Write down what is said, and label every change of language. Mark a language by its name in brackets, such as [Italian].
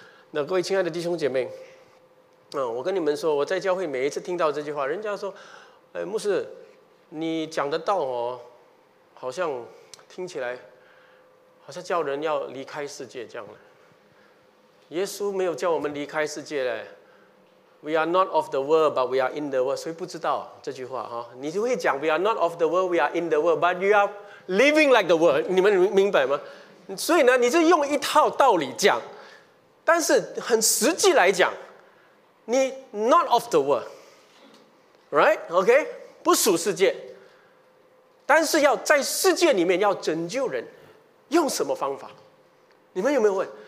[Chinese] 那各位亲爱的弟兄姐妹，我跟你们说，我在教会每一次听到这句话，人家说，哎，牧师，你讲的道哦，好像听起来，好像叫人要离开世界这样的。耶稣没有叫我们离开世界嘞。 [English] We are not of the world, but we are in the world. [Chinese] 谁不知道这句话哈？你就会讲 [English] ，We are not of the world, we are in the world, but you are living like the world. [Chinese] 你们明白吗？所以呢，你是用一套道理讲，但是很实际来讲，你 [English] not of the world, right? [Chinese] OK, 不属世界，但是要在世界里面要拯救人，用什么方法？你们有没有问？